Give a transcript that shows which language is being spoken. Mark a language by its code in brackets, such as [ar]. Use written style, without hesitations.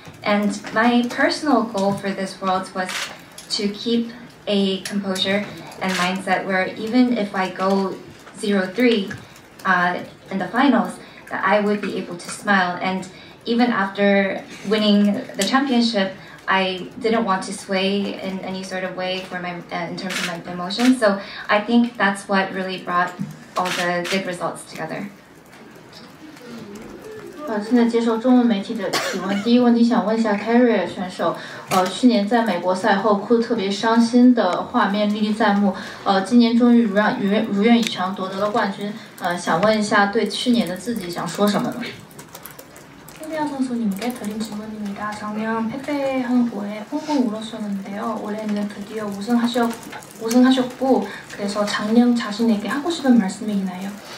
[en] And my personal goal for this world was to keep a composure and mindset where even if I go 0-3 in the finals, that I would be able to smile. And even after winning the championship, I didn't want to sway in any sort of way for my in terms of my emotions. So I think that's what really brought all the good results together. [zh] 现在接受中文媒体的提问，第一问题想问一下 Carrier 选手，去年在美国赛后哭特别伤心的画面历历在目，今年终于如愿以偿夺得了冠军，想问一下对去年的自己想说什么呢？ [ko] 최대한 선수님께 드린 질문입니다. 작년 패배한 후에 펑펑 울었었는데요. 올해는 드디어 우승하셨고, 그래서 작년 자신에게 하고 싶은 말씀이 있나요?